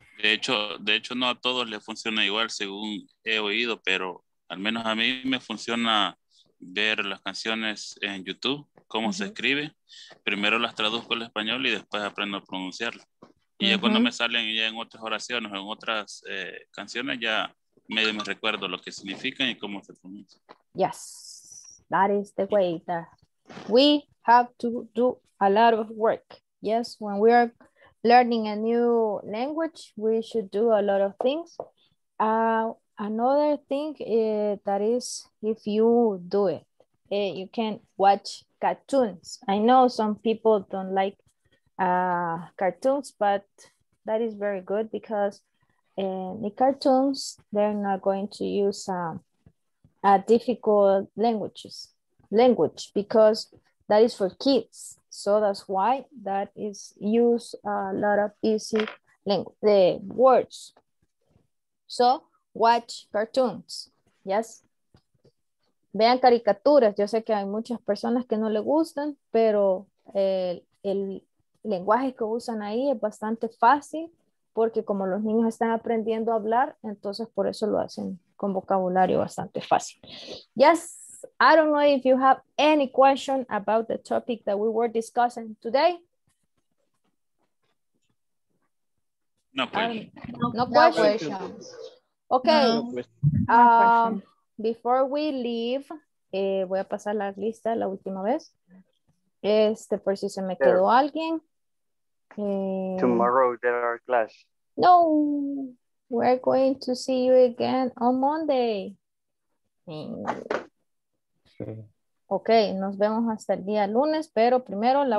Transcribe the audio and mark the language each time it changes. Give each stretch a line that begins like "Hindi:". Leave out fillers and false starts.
Spanish: De hecho, no a todos les funciona igual según he oído, pero al menos a mí me funciona ver las canciones en YouTube. Cómo uh-huh. se escribe, primero las traduzco al español y después aprendo a pronunciarlo. Y uh-huh. ya cuando me salen ya en otras oraciones, en otras canciones, ya medio me recuerdo lo que significan y cómo se pronuncia.
English: Yes, that is the way that we have to do a lot of work. Yes, when we are learning a new language, we should do a lot of things. Another thing that is if you do it, you can watch cartoons. I know some people don't like cartoons, but that is very good because in the cartoons, they're not going to use difficult language because that is for kids. So that's why that is use a lot of easy language, words. So watch cartoons, yes?
Spanish: Vean caricaturas. Yo sé que hay muchas personas que no le gustan, pero el lenguaje que usan ahí es bastante fácil porque como los niños están aprendiendo a hablar, entonces por eso lo hacen con vocabulario bastante fácil.
English: Yes, I don't know if you have any question about the topic that we were discussing today. No questions. Okay. No questions. Before we leave,
Spanish: voy a pasar la lista la última vez. Por si se me quedó alguien.
English: Tomorrow there are class. No, we're going to see you again on Monday.
Spanish: Okay, nos vemos hasta el día lunes, pero primero la